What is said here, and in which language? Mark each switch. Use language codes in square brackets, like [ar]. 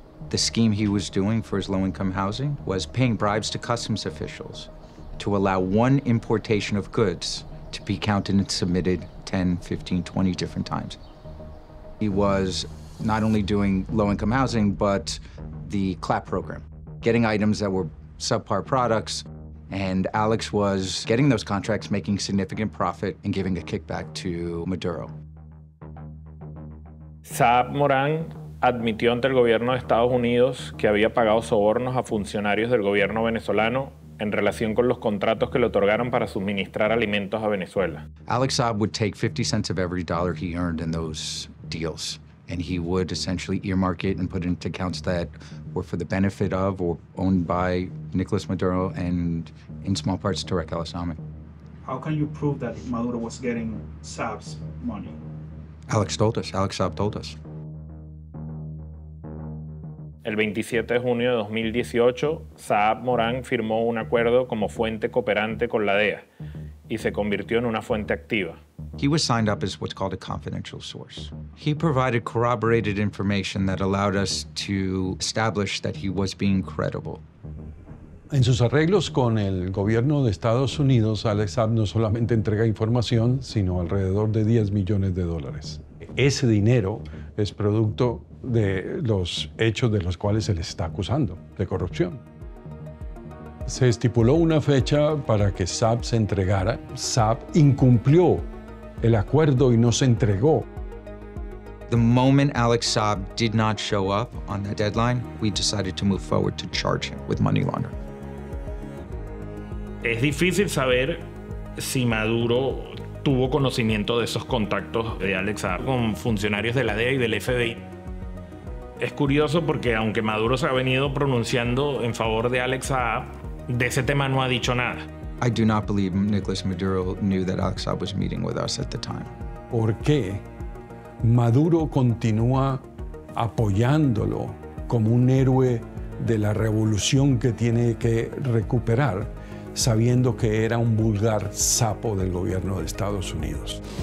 [en] The scheme he was doing for his low-income housing was paying bribes to customs officials to allow one importation of goods to be counted and submitted 10, 15, 20 different times. He was not only doing low-income housing, but the CLAP program, getting items that were subpar products, and Alex was getting those contracts, making significant profit, and giving a kickback to Maduro. [es] Saab Moran admitió ante el gobierno de Estados Unidos que había pagado sobornos a funcionarios del gobierno venezolano en relación con los contratos que le otorgaron para suministrar alimentos a Venezuela. [en] Alex Saab would take 50 cents of every dollar he earned in those deals, and he would essentially earmark it and put it into accounts that were for the benefit of or owned by Nicolas Maduro and, in small parts, Tarek El Asami. How can you prove that Maduro was getting Saab's money? Alex told us. Alex Saab told us. [es] El 27 de junio de 2018, Saab Moran firmó un acuerdo como fuente cooperante con la DEA y se convirtió en una fuente activa. [en] He was signed up as what's called a confidential source. He provided corroborated information that allowed us to establish that he was being credible. [es] En sus arreglos con el gobierno de Estados Unidos, Alex Saab no solamente entrega información, sino alrededor de 10 millones de dólares. Ese dinero es producto de los hechos de los cuales se le está acusando, de corrupción. Se estipuló una fecha para que Saab se entregara. Saab incumplió el acuerdo y no se entregó. [en] The moment Alex Saab did not show up on that deadline, we decided to move forward to charge him with money laundering. [es] Es difícil saber si Maduro tuvo conocimiento de esos contactos de Alex Saab con funcionarios de la DEA y del FBI. Es curioso porque aunque Maduro se ha venido pronunciando en favor de Alex Saab, de ese tema no ha dicho nada. [en] I do not believe Nicolas Maduro knew that Alex Saab was meeting with us at the time. [es] ¿Por qué Maduro continúa apoyándolo como un héroe de la revolución que tiene que recuperar, sabiendo que era un vulgar sapo del gobierno de Estados Unidos?